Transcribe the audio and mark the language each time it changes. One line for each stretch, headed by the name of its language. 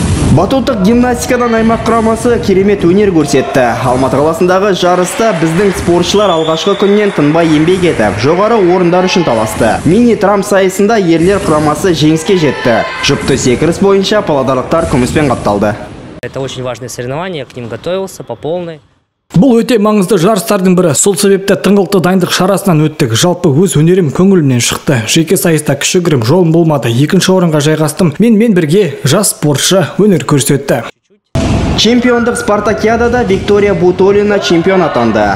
Kazakh: Батуттық гимнастикадан аймақ құрамасы керемет өнер көрсетті. Алматы қаласындағы жарыста біздің спортшылар алғашқы күннен тынбай еңбек етіп, жоғары орындар үшін таласты. Мини-трамп сайысында ерлер құрамасы жеңіске жетті. Жұпты секіріс бойынша паладарлықтар күміспен қапталды.
Russian: Это очень важное соревнование, к ним готовился по полной.
Kazakh: Бұл өте маңызды жарыстардың бірі. Сол себепті тыңғылықты дайындық шарасынан өттік. Жалпы өз өнерім көңілімнен шықты. Жеке сайыста кішігірім жолым болмады. Екінші орынға жайғастым. Мен бірге жас спортшы өнер көрсетті. Чемпиондық спартакиадада Виктория Бутолина чемпион атанды.